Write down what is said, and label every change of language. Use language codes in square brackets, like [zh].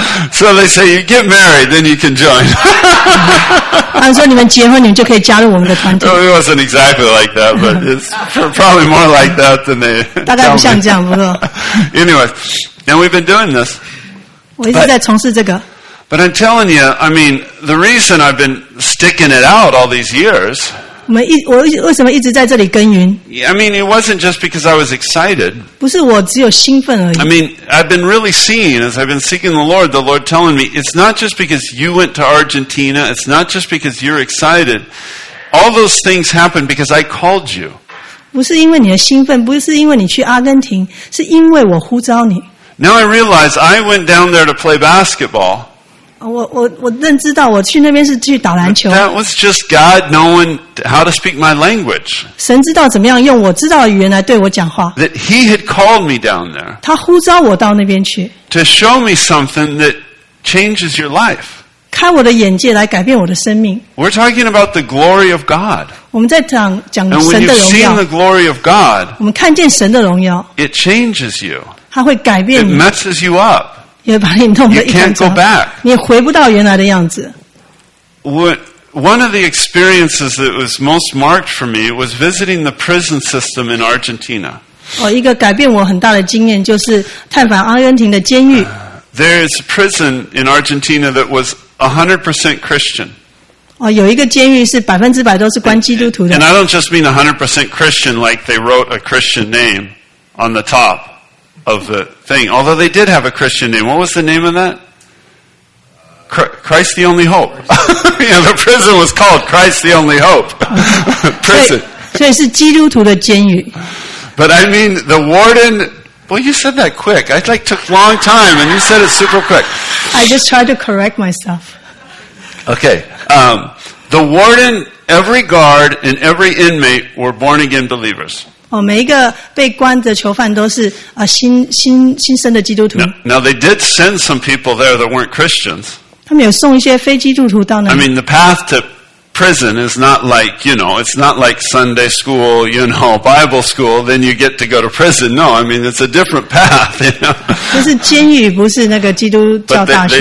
[en] So they say, you get married, then you can join. [zh] 他说你们结婚，你们就可以加入我们的团体。 [en] It wasn't exactly like that, but it's probably more like that than they. [zh] 大概不像这样，不过。 [en] Anyway. And we've been doing this. [zh] 我一直在从事这个。 [en] But I'm telling you, I mean, the reason I've been sticking it out all these years. [zh] 我为什么一直在这里耕耘? [en] I mean, it wasn't just because I was excited. [zh] 不是我只有兴奋而已。 [en] I mean, I've been really seeing, as I've been seeking the Lord telling me, it's not just because you went to Argentina, it's not just because you're excited. All those things happened because I called you. [zh] 不是因为你的兴奋,不是因为你去阿根廷,是因为我呼召你。 [en] Now I realize I went down there to play basketball. [zh] 我认知到我去那边是去打篮球。 [en] That was just God knowing how to speak my language. [zh] 神知道怎么样用我知道的语言来对我讲话。 [en] That he had called me down there. [zh] 他呼召我到那边去。 [en] To show me something that changes your life. [zh] 开我的眼界来改变我的生命。 [en] We're talking about the glory of God. [zh] 我们在讲神的荣耀。 [en] And when you've seen the glory of God, [zh] 我们看见神的荣耀。 [en] It changes you. [zh] 它会改变你。 [en] It messes you up. [zh] 也把你弄得一团糟。 [en] You can't go back. [zh] 你回不到原来的样子。 [en] One of the experiences that was most marked for me was visiting the prison system in Argentina. [zh] 一个改变我很大的经验就是探访阿根廷的监狱。 [en] There is a prison in Argentina that was 100% Christian. [zh] 有一个监狱是百分之百都是关基督徒的。 [en] And I don't just mean 100% Christian like they wrote a Christian name on the top of the thing. Although they did have a Christian name. What was the name of that? Christ the Only Hope. Yeah, the prison was called Christ the Only Hope. Prison. [zh] 所以是基督徒的监狱。 [en] But I mean, the warden... Well, you said that quick. I like took a long time, and you said it super quick. I just tried to correct myself. Okay. The warden, every guard, and every inmate were born-again believers. [zh] 每一个被关的囚犯都是新生的基督徒。 [en] Now, they did send some people there that weren't Christians. [zh] 他们有送一些非基督徒到那里。 [en] I mean, the path to prison is not like, you know, it's not like Sunday school, you know, Bible school, then you get to go to prison. No, I mean, it's a different path, you know. [zh] 是监狱不是那个基督教大学。